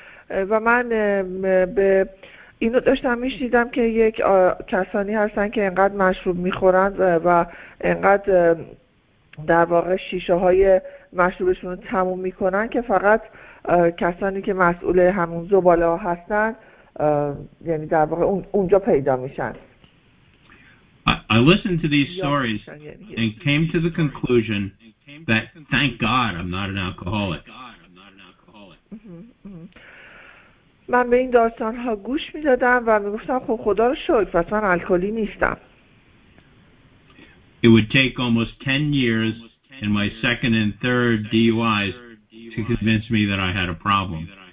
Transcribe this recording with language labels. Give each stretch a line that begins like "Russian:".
Persian: و من به اینو داشتم میشنیدم که یک کسانی هستن که انقدر مشروب میخورن و انقدر در واقع شیشه های مشروبشون رو تموم میکنن که فقط کسانی که مسئول همون زباله ها هستن یعنی در واقع اونجا پیدا میشن.
English: I listened to these stories and came to the conclusion that thank God I'm not an alcoholic.
Persian: من به این داستان ها گوش می دادم و می گفتم خب خدا رو شکر پس من الکلی نیستم.
English: It would take almost 10 years in my second and third DUIs to convince me that I had a problem.